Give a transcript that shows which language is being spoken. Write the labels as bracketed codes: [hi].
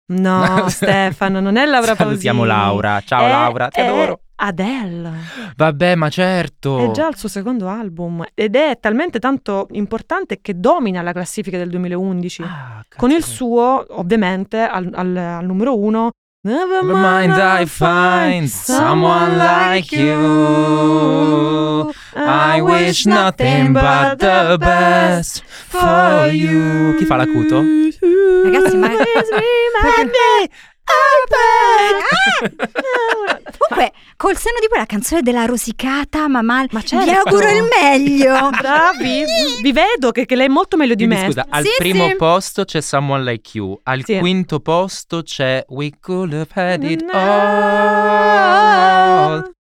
[it] No, Stefano, non è Laura Salutiamo Salutiamo Laura. Ciao Laura, ti adoro. Adele. Vabbè, ma certo. È già il suo secondo album ed è talmente tanto importante che domina la classifica del 2011. Ah, con il suo, ovviamente, al numero uno. [en] Never mind, I find someone like you. I wish nothing but the best for you. [it] Chi fa l'acuto? Ragazzi, ma comunque, col senno di poi la canzone della rosicata, ma certo. Vi auguro il meglio. Bravi, vi vedo che lei è molto meglio di Quindi, me. Scusa, al primo posto c'è Someone Like You, al quinto posto c'è We Could Have Had It All.